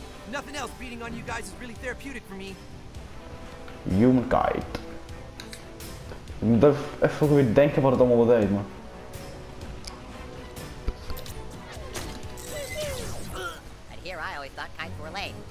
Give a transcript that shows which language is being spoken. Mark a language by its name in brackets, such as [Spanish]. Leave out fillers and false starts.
[English] Nothing else beating on you guys is really therapeutic for me. Humankind. [Dutch] Ik moet even weer denken wat het allemaal wel deed, man. [English] But here I always thought kinds were lame.